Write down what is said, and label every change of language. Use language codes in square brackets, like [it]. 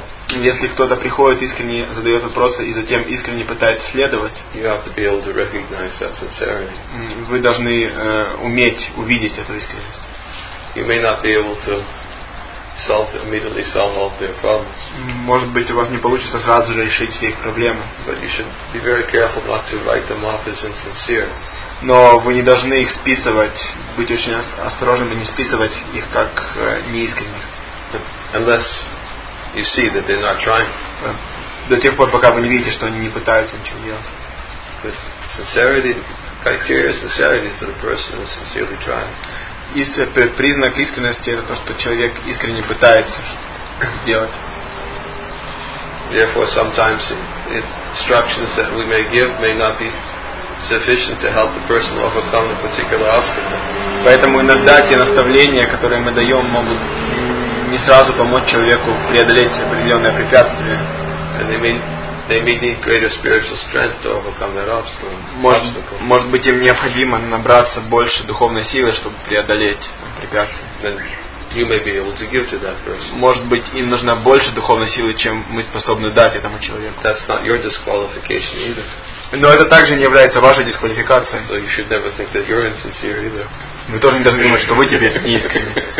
[ru] Если кто-то приходит искренне, задает вопросы и затем искренне пытается следовать, [en] you have to be able to recognize that sincerity. [ru] Вы должны уметь увидеть эту искренность. [en] You may not be able to solve, immediately solve all their problems. [ru] Может быть, у вас не получится сразу же решить все их проблемы. [en] But you should be very careful not to write them off as insincere. [ru] Но вы не должны их списывать, быть очень осторожными, не списывать их как неискренних. [en] Unless you see that they're not trying. [ru] До тех пор, пока вы не видите, что они не пытаются ничего делать. [en] Sincerity, criteria sincerity is that a person is sincerely trying. [ru] Признак искренности это то, что человек искренне пытается сделать. [en] Therefore, sometimes instructions that we may give may not be sufficient to help the person overcome the particular obstacle. [ru] Поэтому иногда те наставления, которые мы даем, могут не сразу помочь человеку преодолеть определенное препятствие. [en] And they may need greater spiritual strength to overcome that obstacle. [ru] Может быть, им необходимо набраться больше духовной силы, чтобы преодолеть препятствие. [en] Then you may be able to give to that person. [ru] Может быть, им нужна больше духовной силы, чем мы способны дать этому человеку. [en] That's not your disqualification either. [ru] Но это также не является вашей дисквалификацией. [en] So you should never think that you're insincere either. [ru] Вы тоже не должны думать, что вы теперь неискренны.